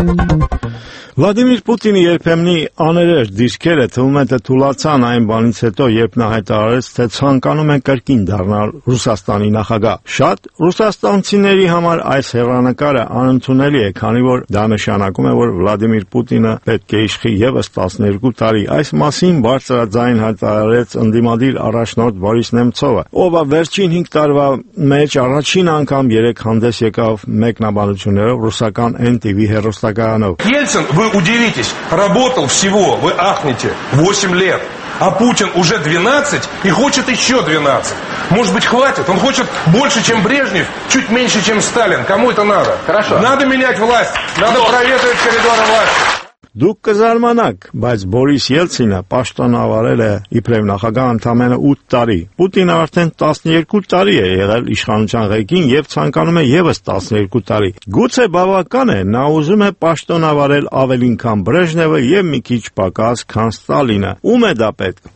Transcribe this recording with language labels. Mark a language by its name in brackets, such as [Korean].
[Armenian] Վլադիմիր Պուտինի երբեմնի աներեր դիրքերը թվում է, թե թուլացան այն բանից հետո, երբ նա հայտարարեց, թե ցանկանում են կրկին դառնալ Ռուսաստանի նախագահ։ Շատ ռուսաստանցիների համար այս հեռանկարը անընդունելի է, քանի որ դա նշանակում է, որ Վլադիմիր Պուտինը պետք է իշխի ևս 12 տարի։ Այս մասին բարձրաձայն հայտարարեց ընդդիմադիր առաջնորդ Բորիս Նեմցովը, ով վերջին 5 տարվա մեջ առաջին անգամ երեք հանդես եկավ մեկնաբանություններով ռուսական NTV հեռուստակայանով։ [Russian] Вы удивитесь, работал всего, вы ахнете, 8 лет, а Путин уже 12 и хочет еще 12. Может быть, хватит? Он хочет больше, чем Брежнев, чуть меньше, чем Сталин. Кому это надо? Хорошо. Надо менять власть, надо проветривать коридоры власти. [Armenian] Դուք կզարմանաք, բայց Բորիս Ելցինը պաշտոնավարել է իբրև նախագահ ընդամենը 8 տարի, Պուտինը արդեն 12 տարի է եղել իշխանության ղեկին և ցանկանում է ևս 12 տարի։ Գուցե բավական է, նա ուզում է պաշտոնավարել ավելին, քան Բրեժնևը և մի քիչ պակաս, քան Ստալինը։ Ում է դա պետք?